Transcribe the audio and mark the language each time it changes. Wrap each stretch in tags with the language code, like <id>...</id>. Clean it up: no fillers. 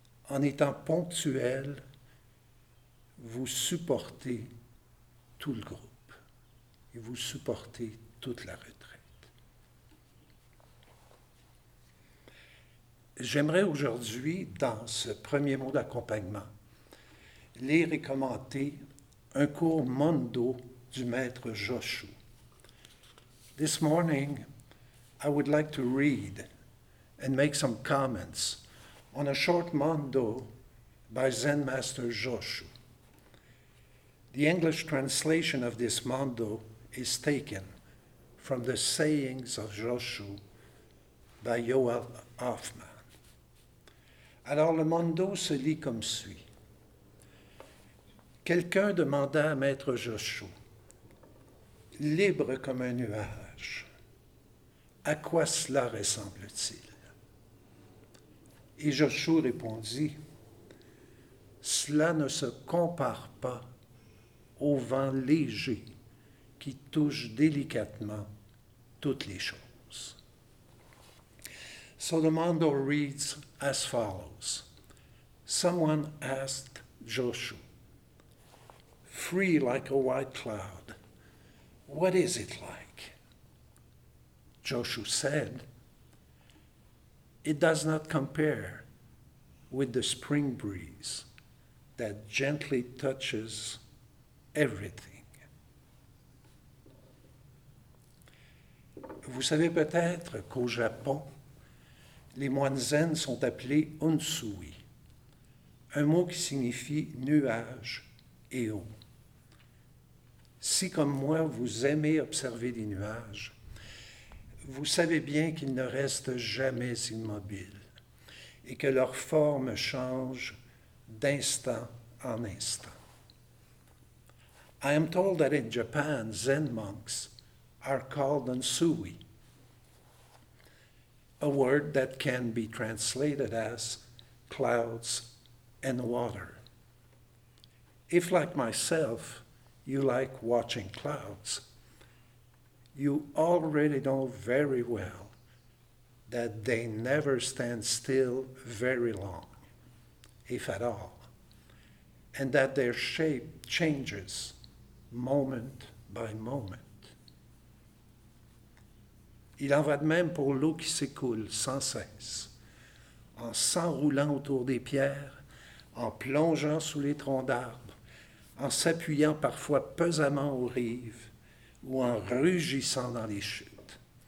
<fr>En étant ponctuel, vous supportez tout le groupe et vous supportez toute la retraite. J'aimerais aujourd'hui, dans ce premier mot d'accompagnement, lire et commenter un cours Mondo du maître Joshua.</fr> <en>This morning, I would like to read and make some comments on a short Mondo by Zen Master Joshua. The English translation of this Mondo is taken from the sayings of Joshua by Yoel Hoffman.</en> <fr>Alors, le Mondo se lit comme suit. Quelqu'un demanda à Maître Joshua, « Libre comme un nuage, à quoi cela ressemble-t-il? » Et Joshua répondit, « Cela ne se compare pas au vent léger qui touche délicatement toutes les choses. »</fr> <en>So the Mondo reads as follows. Someone asked Joshua, free like a white cloud, what is it like? Joshua said, it does not compare with the spring breeze that gently touches everything.</en> <fr>Vous savez peut-être qu'au Japon, les moines zen sont appelés onsui, un mot qui signifie nuage et eau. Si comme moi, vous aimez observer les nuages, Vous savez bien qu'ils ne restent jamais immobiles et que leur forme change d'instant en instant.</fr> <en>I am told that in Japan, Zen monks are called Ansui, a word that can be translated as clouds and water. If, like myself, you like watching clouds, you already know very well that they never stand still very long, if at all, and that their shape changes moment by moment.</en> <fr>Il en va de même pour l'eau qui s'écoule sans cesse, en s'enroulant autour des pierres, en plongeant sous les troncs d'arbres, en s'appuyant parfois pesamment aux rives, ou en rugissant dans les chutes.</fr>